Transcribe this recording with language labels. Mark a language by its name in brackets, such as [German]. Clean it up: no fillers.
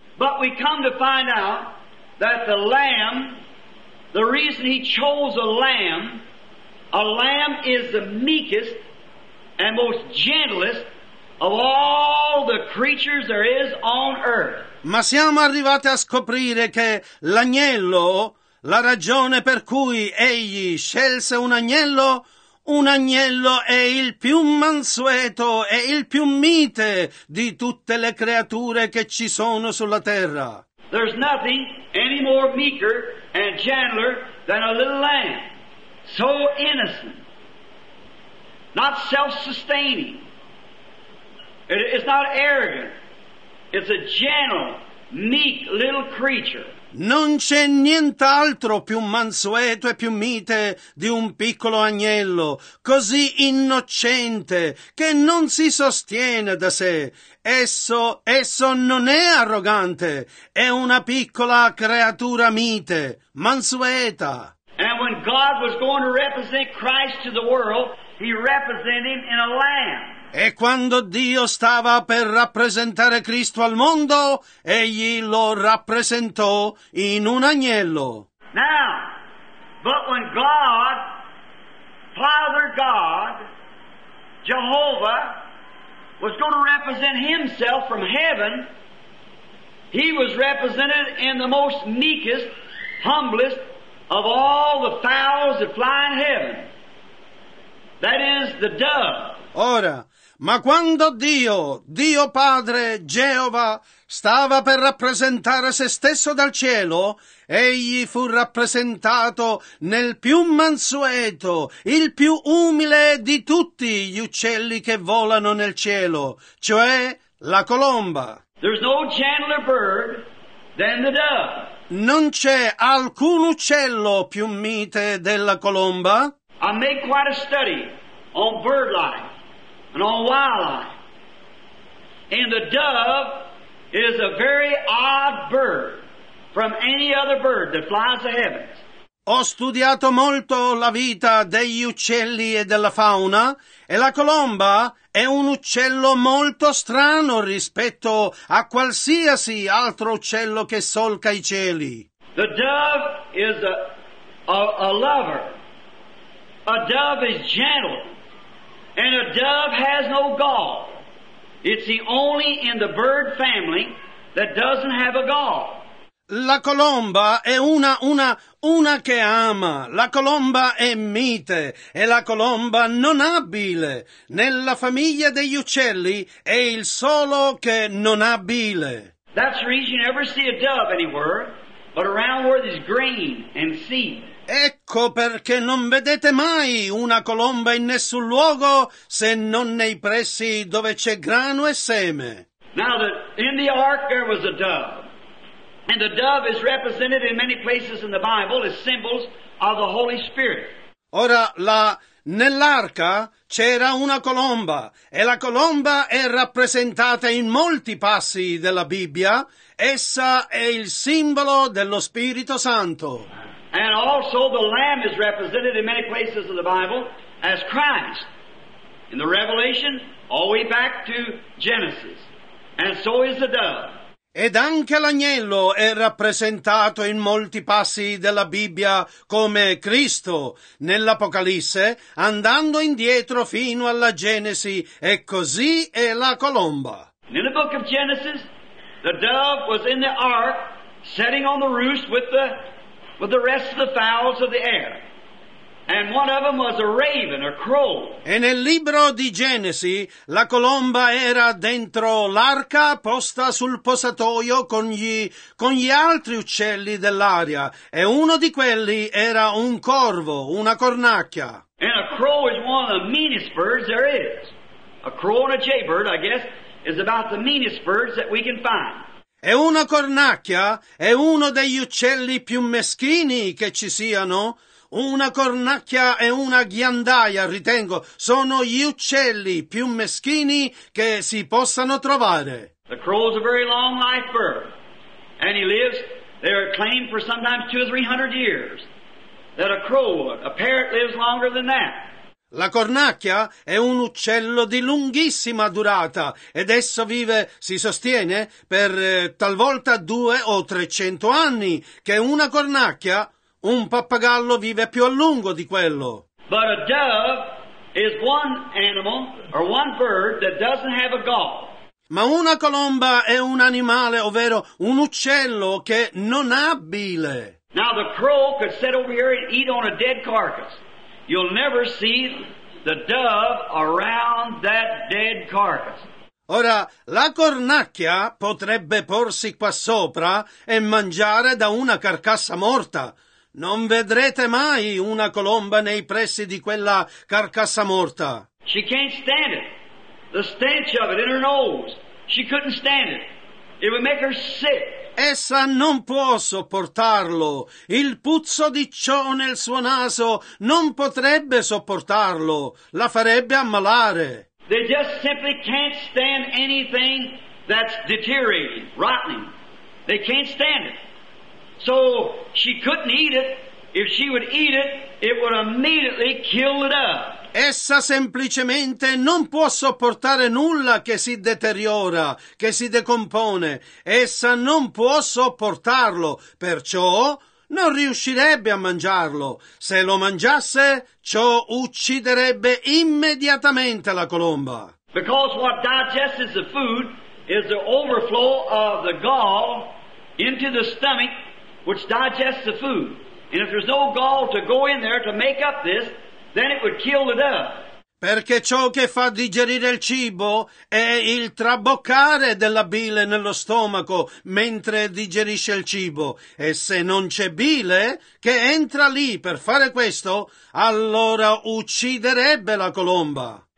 [English] But we come to find out that the lamb, the reason he chose a lamb is the meekest and most gentlest of all the creatures there is on earth. [Italian] Ma siamo arrivati a scoprire che l'agnello, la ragione per cui egli scelse un agnello è il più mansueto e il più mite di tutte le creature che ci sono sulla terra. [English] There's nothing any more meeker and gentler than a little lamb, so innocent, not self-sustaining. It's not arrogant. It's a gentle, meek little creature. [Italian] Non c'è nient'altro più mansueto e più mite di un piccolo agnello, così innocente, che non si sostiene da sé. Esso non è arrogante, è una piccola creatura mite, mansueta. [English] And when God was going to represent Christ to the world, he represented him in a lamb. [Italian] E quando Dio stava per rappresentare Cristo al mondo, egli lo rappresentò in un agnello. [English] Now, but when God, Father God, Jehovah, was going to represent himself from heaven, he was represented in the most meekest, humblest of all the fowls that fly in heaven. That is the dove. [Italian] Ora, ma quando Dio Padre, Geova, stava per rappresentare se stesso dal cielo, egli fu rappresentato nel più mansueto, il più umile di tutti gli uccelli che volano nel cielo, cioè la colomba. [English] There's no gentler bird than the dove. [Italian] Non c'è alcun uccello più mite della colomba. [English] I made quite a study on bird life. And on wildlife. And the dove is a very odd bird from any other bird that flies the heavens. [Italian] Ho studiato molto la vita degli uccelli e della fauna, e la colomba è un uccello molto strano rispetto a qualsiasi altro uccello che solca i cieli. [English] The dove is a lover. A dove is gentle. And a dove has no gall. It's the only in the bird family that doesn't have a gall. [Italian] La colomba è una che ama. La colomba è mite e la colomba non ha bile. Nella famiglia degli uccelli è il solo che non ha bile. [English] That's the reason you never see a dove anywhere, but around where there's grain and seed. [Italian] Ecco perché non vedete mai una colomba in nessun luogo se non nei pressi dove c'è grano e seme. [English] Now that in the ark there was a dove, and the dove is represented in many places in the Bible as symbols of the Holy Spirit. [Italian] Ora nell'arca c'era una colomba, e la colomba è rappresentata in molti passi della Bibbia. Essa è il simbolo dello Spirito Santo. [English] And also the Lamb is represented in many places of the Bible as Christ. In the Revelation, all the way back to Genesis. And so is the dove. [Italian] Ed anche l'agnello è rappresentato in molti passi della Bibbia come Cristo nell'Apocalisse, andando indietro fino alla Genesi, e così è la colomba. [English] And in the book of Genesis, the dove was in the ark, sitting on the roost with the rest of the fowls of the air. And one of them was a raven, a crow. [Italian] E nel libro di Genesi, la colomba era dentro l'arca posta sul posatoio con gli altri uccelli dell'aria. E uno di quelli era un corvo, una cornacchia. [English] And a crow is one of the meanest birds there is. A crow and a jaybird, I guess, is about the meanest birds that we can find. [Italian] E una cornacchia è uno degli uccelli più meschini che ci siano. Una cornacchia e una ghiandaia, ritengo, sono gli uccelli più meschini che si possano trovare. [English] The crow is a very long life bird, and he lives, they are claimed for sometimes 200 or 300 years, that a crow, a parrot, lives longer than that. [Italian] La cornacchia è un uccello di lunghissima durata ed esso vive, si sostiene, per talvolta 200 o 300 anni, che una cornacchia, un pappagallo, vive più a lungo di quello. [English] But a dove is one animal or one bird that doesn't have a gall. [Italian] Ma una colomba è un animale, ovvero un uccello, che non ha bile. [English] Now the crow could sit over here and eat on a dead carcass. You'll never see the dove around that dead carcass. [Italian] Ora, la cornacchia potrebbe porsi qua sopra e mangiare da una carcassa morta. Non vedrete mai una colomba nei pressi di quella carcassa morta. [English] She can't stand it. The stench of it in her nose. She couldn't stand it. It would make her sick. [Italian] Essa non può sopportarlo. Il puzzo di ciò nel suo naso non potrebbe sopportarlo. La farebbe ammalare. [English] They just simply can't stand anything that's deteriorating, rotting. They can't stand it. So she couldn't eat it. If she would eat it, it would immediately kill the dove. [Italian] Essa semplicemente non può sopportare nulla che si deteriora, che si decompone. Essa non può sopportarlo, perciò non riuscirebbe a mangiarlo. Se lo mangiasse, ciò ucciderebbe immediatamente la colomba. [English] Because what digests the food is the overflow of the gall into the stomach, which digests the food. And if there's no gall to go in there to make up this, then it would kill the dove. [Italian] Perché ciò che fa digerire il cibo è il traboccare della bile nello stomaco mentre digerisce il cibo. E se non c'è bile che entra lì per fare questo, allora ucciderebbe la colomba.